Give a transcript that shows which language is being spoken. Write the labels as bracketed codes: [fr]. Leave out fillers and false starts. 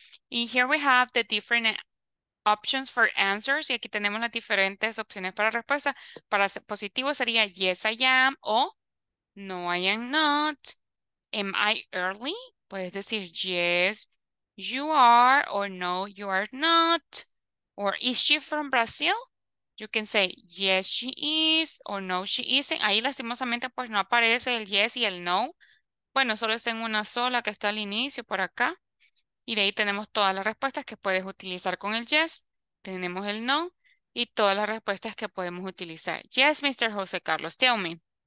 [en] Y here we have the different options for answers. [es] Y aquí tenemos las diferentes opciones para respuesta. Para positivo sería [en] yes, I am. O no, I am not. Am I early? [es] Puedes decir [en] yes, you are, or no, you are not. Or is she from Brazil? You can say yes, she is, or no, she isn't. [es] Ahí lastimosamente pues no aparece el yes y el no. Bueno, solo está en una sola que está al inicio por acá. Y de ahí tenemos todas las respuestas que puedes utilizar con el yes. Tenemos el no y todas las respuestas que podemos utilizar. [en] Yes, Mr. José Carlos, tell me.